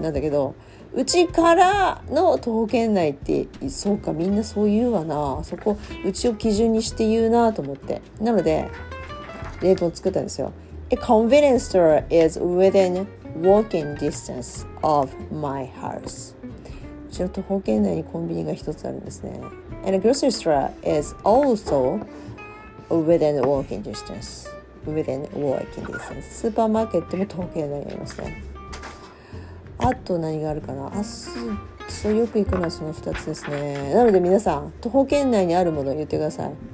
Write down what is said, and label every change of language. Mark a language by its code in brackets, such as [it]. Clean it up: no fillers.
[ja] なんだけど、うちからの徒歩圏内って、そうか、みんなそう言うわな。そこ、うちを基準にして言うなと思って。なので、例文を作ったんですよ。 [en] A convenience store is within walking distance of my house. [ja] ちょっと徒歩圏内にコンビニが一つあるんですね。 [en] And a grocery store is also within walking distance. Within walking distance. [ja] スーパーマーケットも徒歩圏内にありますね。あと何があるかな。あ、そう、よく行くのはその二つですね。なので皆さん、徒歩圏内にあるものを言ってください。